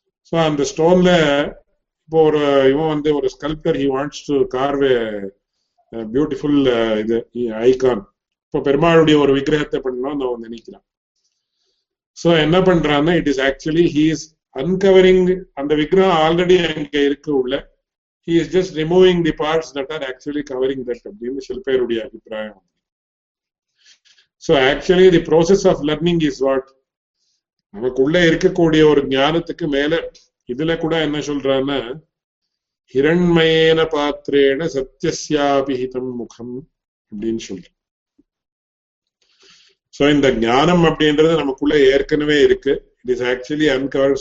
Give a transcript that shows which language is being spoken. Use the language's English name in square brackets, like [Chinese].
[Tamil] So அந்த ஸ்டோன்ல இப்போ ஒரு இவன் வந்து ஒரு sculptor, [English] he wants to carve a beautiful [Tamil] இது ஐகான், இப்போ பெருமாளுடைய ஒரு விக்கிரகத்தை பண்ணணும்னு அவன் நினைக்கிறான். சோ என்ன பண்றான்னா, [English] it is actually he is uncovering [Tamil] அந்த விக்ரம் ஆல்ரெடி அங்க இருக்கு உள்ள, [English] he is just removing the parts that are actually covering that. So actually the process of learning is what? [Tamil] நமக்குள்ள இருக்கக்கூடிய ஒரு ஞானத்துக்கு மேல இதுல கூட என்ன சொல்றான்னா [Sanskrit] ஹிரண்மயேன பாத்திரேன சத்யஸ்யாபிஹிதம் முகம் [Tamil] அப்படின்னு சொல்ற. சோ இந்த ஞானம் அப்படின்றது நமக்குள்ள ஏற்கனவே இருக்கு. [English] It is actually uncovered.